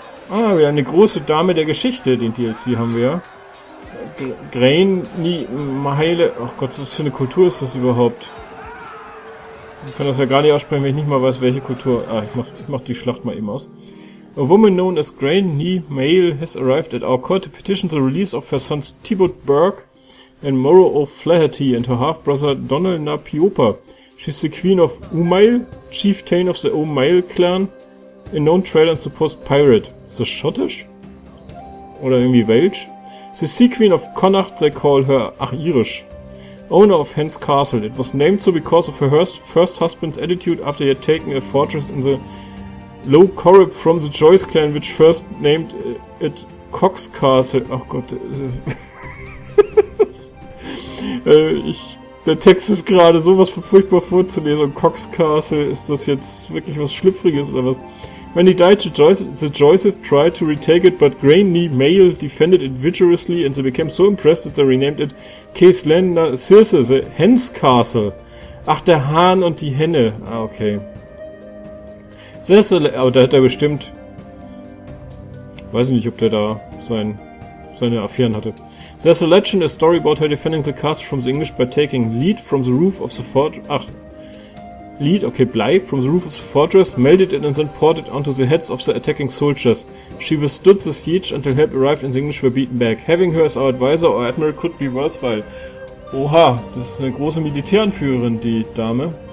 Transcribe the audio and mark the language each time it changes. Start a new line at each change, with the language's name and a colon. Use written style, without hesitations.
German: Ah, wir haben eine große Dame der Geschichte, den DLC haben wir. Grain, nie, Meile. Ach Gott, was für eine Kultur ist das überhaupt? Ich kann das ja gar nicht aussprechen, wenn ich nicht mal weiß, welche Kultur. Ah, ich mach die Schlacht mal eben aus.
English: A woman known as Grain, nie, Meile has arrived at our court to petition the release of her sons Thibaut Burke and Morrow O'Flaherty and her half-brother Donald na Piopa. She's the queen of Umail, chieftain of the Umail clan, a known trader and supposed pirate.
German: Ist das schottisch? Oder irgendwie welsch? The Sea Queen of Connacht, they call her, ach, irisch.
English: Owner of Hens Castle. It was named so because of her first husband's attitude after he had taken a fortress in the Low Corrib from the Joyce Clan, which first named it Cox Castle.
German: Ach Gott. Der Text ist gerade sowas von furchtbar vorzulesen. Cox Castle, ist das jetzt wirklich was Schlüpfriges oder was?
English: When he died, the Joyces tried to retake it, but Grainy Mail defended it vigorously and they became so impressed that they renamed it Caislenna Circe, the Hens Castle.
German: Ach, der Hahn und die Henne. Ah, okay. Aber da hat er bestimmt... Weiß ich nicht, ob der da seine Affären hatte.
English: There's a legend, a story about her defending the castle from the English by taking lead from the roof of the fort... Ach. Lead, okay, Blei, from the roof of the fortress, melted it and then poured it onto the heads of the attacking soldiers. She withstood the siege until help arrived and the English were beaten back. Having her as our advisor or admiral could be worthwhile.
German: Oha, das ist eine große Militäranführerin, die Dame.